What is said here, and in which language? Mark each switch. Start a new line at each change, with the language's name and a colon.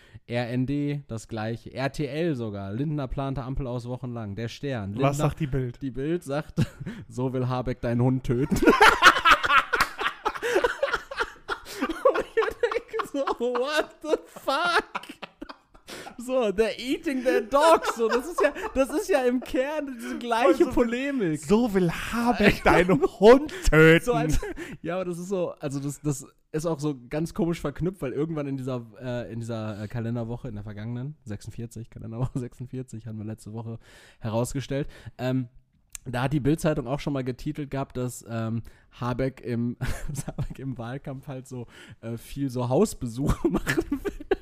German: RND, das gleiche. RTL sogar. Lindner plante Ampel aus wochenlang. Der Stern. Lindner, was sagt die Bild? Die Bild sagt, so will Habeck deinen Hund töten. Und ich denke so,
English: what the fuck? So, they're eating their dogs.
German: So, das ist ja im Kern diese gleiche Polemik. So will Habeck deinen Hund töten. So, also, ja, aber das ist so, also das ist auch so ganz komisch verknüpft, weil irgendwann in dieser Kalenderwoche, in der vergangenen, 46, Kalenderwoche 46, haben wir letzte Woche herausgestellt, da hat die Bild-Zeitung auch schon mal getitelt gehabt, dass Habeck im Wahlkampf halt so viel so Hausbesuche machen will.